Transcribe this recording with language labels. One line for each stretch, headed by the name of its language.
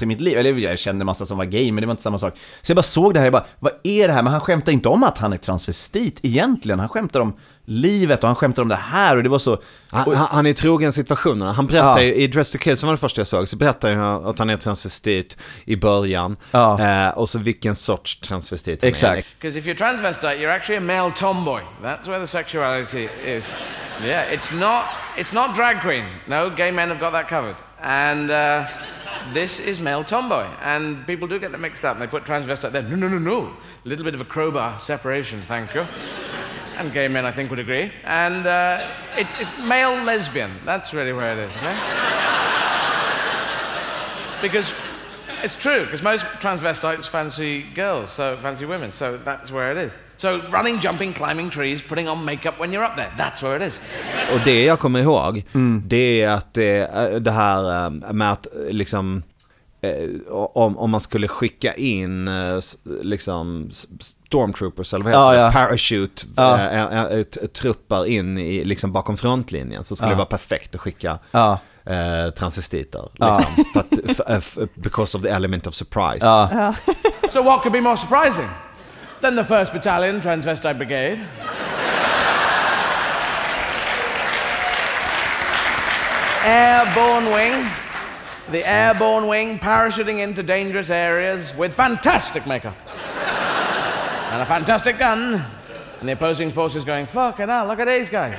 Swedish: Nej. I mitt liv, eller jag kände massa som var gay, men det var inte samma sak. Så jag bara såg det här, jag bara, vad är det här? Men han skämtar inte om att han är transvestit egentligen, han skämtar om livet och han skämtar om det här, och det var så, han är trogen situationerna. Han berättar i Dress to Kill, som var det första jag såg, så berättar han att han är transvestit i början. Och så vilken sorts transvestit. Exakt.
English: Because if you're transvestite, you're actually a male tomboy. That's where the sexuality is. Yeah, it's not drag queen. No, gay men have got that covered. And this is male tomboy, and people do get them mixed up, and they put transvestite there. No. A little bit of a crowbar separation, thank you. And gay men, I think, would agree. And it's male lesbian. That's really where it is, okay? Because it's true, because most transvestites fancy girls, so fancy women, so that's where it is. So running, jumping, climbing trees, putting on makeup when you're up there. That's where it is.
Swedish: Och det jag kommer ihåg, det är att det här med att liksom, om man skulle skicka in liksom stormtroopers eller vad heter det, parachute trupper in i, liksom bakom frontlinjen, så skulle det vara perfekt att skicka transvestiter liksom,
English: because of the element of surprise. So what could be more surprising than the 1st Battalion Transvestite Brigade? Airborne wing. The airborne wing parachuting into dangerous areas with fantastic makeup and a fantastic gun, and the opposing forces going, fucking hell, look at these guys.